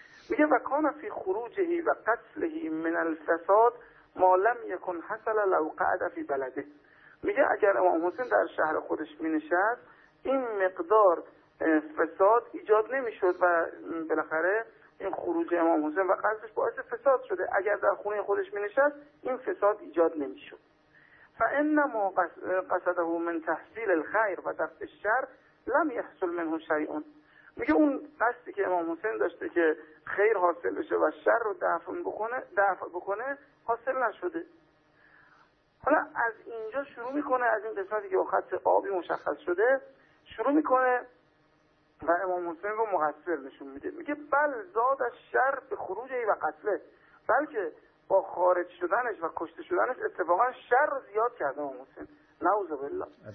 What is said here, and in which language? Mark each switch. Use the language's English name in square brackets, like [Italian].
[Persian] میگه [Arabic] و کان فی خروجه و قتله من الفساد ما لم یکن حصل لو قعد فی بلده. [Persian] میگه اگر امام حسین در شهر خودش مینشست این مقدار فساد ایجاد نمیشد و بالاخره این خروج امام حسین و قصدش باعث فساد شده، اگر در خونه خودش مینشست این فساد ایجاد نمیشد. [Arabic] فانما قصده من تحصیل الخیر و دفع الشر لم يحصل منه شيء. [Persian] میگه اون قصدی که امام حسین داشته که خیر حاصل بشه و شر رو دفع بکنه حاصل نشده. حالا از اینجا شروع میکنه، از این قسمتی که با خط آبی مشخص شده شروع میکنه و امام حسین رو مقصر نشون میده، میگه [Arabic] بل زاد از شر به خروجه و قتله، [Persian] بلکه با خارج شدنش و کشته شدنش اتفاقا شر رو زیاد کرده امام حسین نعوذ بالله.